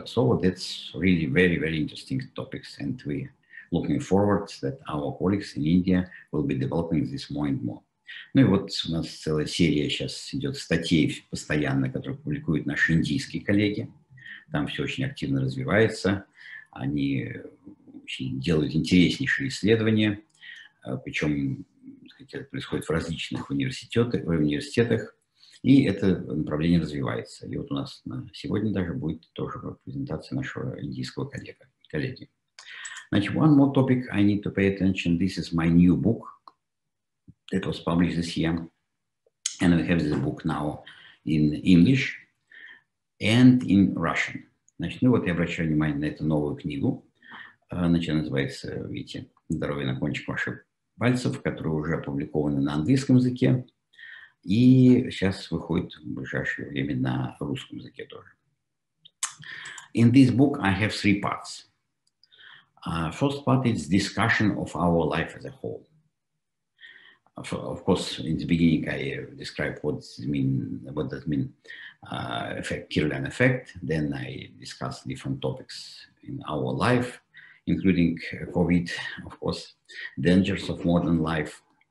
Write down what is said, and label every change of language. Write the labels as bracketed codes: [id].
[en] So that's really very, very interesting topics. And we're looking forward that our colleagues in India will be developing this more and more. [ru] Ну и вот у нас целая серия сейчас идет статей постоянно, которые публикуют наши индийские коллеги. Там все очень активно развивается. Они делают интереснейшие исследования, причем это происходит в различных университетах, и это направление развивается. И вот у нас на сегодня даже будет тоже презентация нашего индийского коллеги. Значит, [en] one more topic I need to pay attention. This is my new book. It was published this year. And we have this book now in English and in Russian. [ru] Значит, ну вот я обращаю внимание на эту новую книгу. Значит, называется, видите, «Здоровье на кончиках ваших пальцев», которые уже опубликованы на английском языке. И сейчас выходит в ближайшее время на русском языке тоже. [en] In this book I have three parts. First part is discussion of our life as a whole. Of course, in the beginning I describe what does mean effect, Kirlian effect. Then I discuss different topics in our life, including COVID, of course, dangers of modern life.